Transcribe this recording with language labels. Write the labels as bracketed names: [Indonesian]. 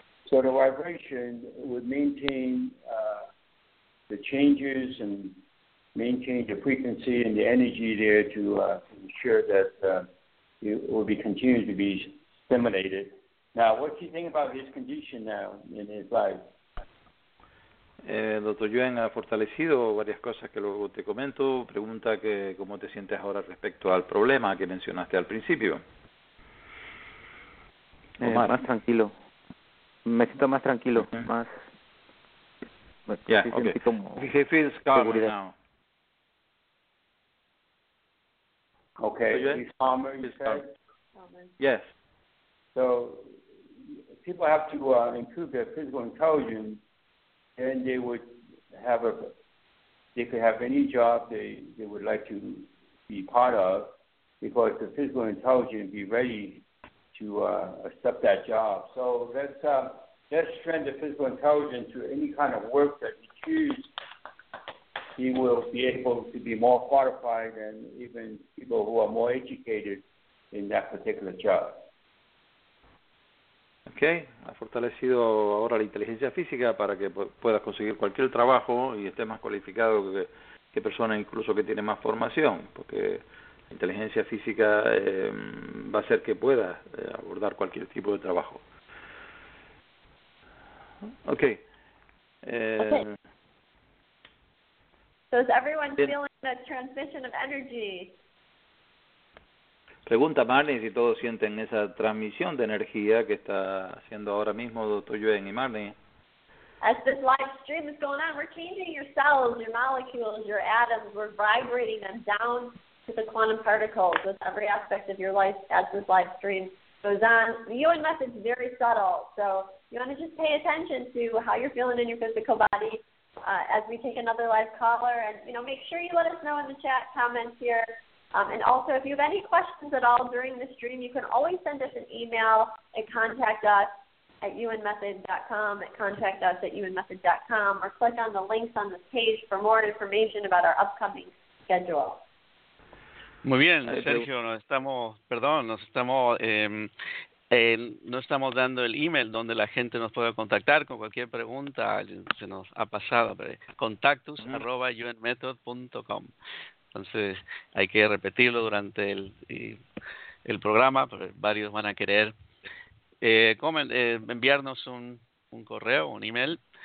[English] So the vibration would maintain the changes and maintain the frequency and the energy there to ensure that it will be continued to be stimulated. Now, what do you think about his condition now in his life? [Spanish] Doctor Yuen ha fortalecido varias cosas que luego te comento. Pregunta que cómo te sientes ahora respecto al problema que mencionaste al principio. Omar, más tranquilo. Me siento más tranquilo, uh-huh. más. [English] Ya, yeah, okay. He feels calmer now. Okay, he's calmer. Yes. So people have to improve their physical intelligence, then they would have a. They could have any job they would like to be part of, because the physical intelligence be ready to accept that job. So that's. Let's strengthen the physical intelligence to any kind of work that he chooses. He will be able to be more qualified than even people who are more educated in that particular job. Okay. [Spanish] Ha fortalecido ahora la inteligencia física para que pueda conseguir cualquier trabajo y esté más cualificado que personas incluso que tienen más formación, porque la inteligencia física va a hacer que pueda abordar cualquier tipo de trabajo. [English] Okay. Okay. So is everyone feeling the transmission of energy? [Spanish] Pregunta Marlene si todos sienten esa transmisión de energía que está haciendo ahora mismo Dr. Yuen y Marlene. [English] As this live stream is going on, we're changing your cells, your molecules, your atoms. We're vibrating them down to the quantum particles with every aspect of your life as this live stream goes on. The Yuen method is very subtle, so you want to just pay attention to how you're feeling in your physical body as we take another live caller. And, you know, make sure you let us know in the chat comments here. And also, if you have any questions at all during the stream, you can always send us an email at contactus@unmethod.com, at contactus@unmethod.com, or click on the links on this page for more information about our upcoming schedule. [Spanish] Muy bien, Sergio, no estamos dando el email donde la gente nos pueda contactar con cualquier pregunta, se nos ha pasado, contactus@unmethod.com. Entonces, hay que repetirlo durante el programa, varios van a querer enviarnos un correo, un email.